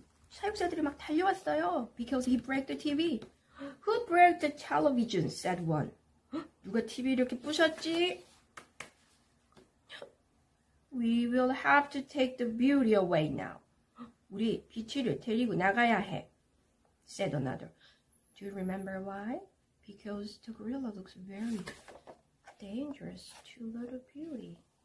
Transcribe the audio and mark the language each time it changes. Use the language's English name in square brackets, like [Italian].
[Korean] 사육사들이 막 달려왔어요. [English] Because he broke the TV. Who broke the television? Said one. [Korean] 누가 TV 이렇게 부셨지? [English] We will have to take the beauty away now. [Korean] 우리 비치를 데리고 나가야 해. [English] Said another. Do you remember why? Because the gorilla looks very dangerous to little beauty.